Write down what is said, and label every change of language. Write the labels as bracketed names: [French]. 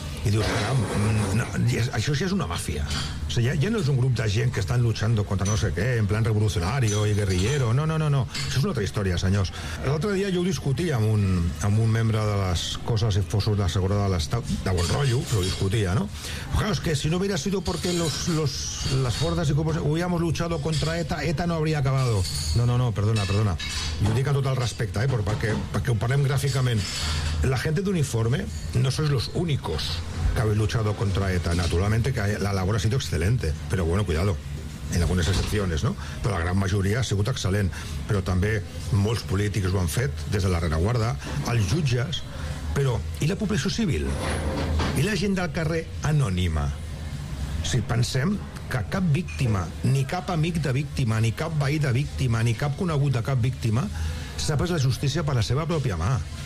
[Catalan] I dius, caram, no, això ja és una màfia. O sigui, ja no és un grup de gent que estan luchant contra no sé què, en plan revolucionari o guerrillero. No, no, no, no. Això és una altra història, senyors. L'altre dia jo ho discutia amb un membre de les coses i fossos de seguretat de l'Estat, de bon rotllo, però ho discutia, no? [Spanish] Claro, es que si no hubiera sido porque las fuerzas y cuerpos hubiéramos luchado contra ETA, ETA no habría acabado. [Catalan] No, no, no, perdona, perdona. Jo ho dic a total respecte, perquè ho parlem gràficament. [Spanish] La gente de uniforme no sois los únicos que habéis luchado contra ETA. Naturalmente que la labor ha sido excelente, pero bueno, cuidado, [Catalan] en algunes excepcions, [Spanish] no? [Catalan] Però la gran majoria ha sigut excel·lent. Però també molts polítics ho han fet, des de la rereguarda, els jutges, però i la població civil? I la gent del carrer anònima? Si pensem que cap víctima, ni cap amic de víctima, ni cap veí de víctima, ni cap conegut de cap víctima, s'ha pres la justícia per la seva pròpia mà.